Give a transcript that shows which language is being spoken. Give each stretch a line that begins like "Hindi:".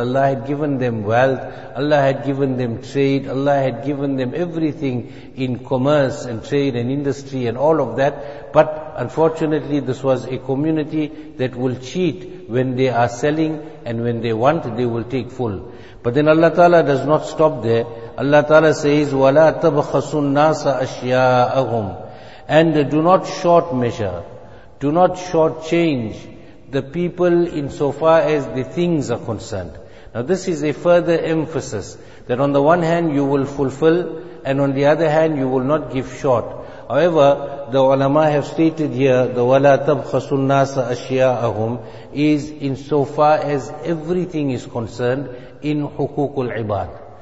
English: Allah had given them wealth, Allah had given them trade, Allah had given them everything in commerce and trade and industry and all of that. But unfortunately this was a community that will cheat when they are selling, and when they want they will take full. But then Allah Ta'ala does not stop there.
Arabic: Allah Ta'ala says, وَلَا تَبْخَسُ النَّاسَ أَشْيَاءَهُمْ.
English: And do not short measure, do not short change the people insofar as the things are concerned. Now this is a further emphasis that on the one hand you will fulfill and on the other hand you will not give short. However, the ulama have stated here, the
Arabic: وَلَا تَبْخَسُ النَّاسَ أَشْيَاءَهُمْ
English: is insofar as everything is concerned in
Arabic: حُقُوقُ الْعِبَادِ.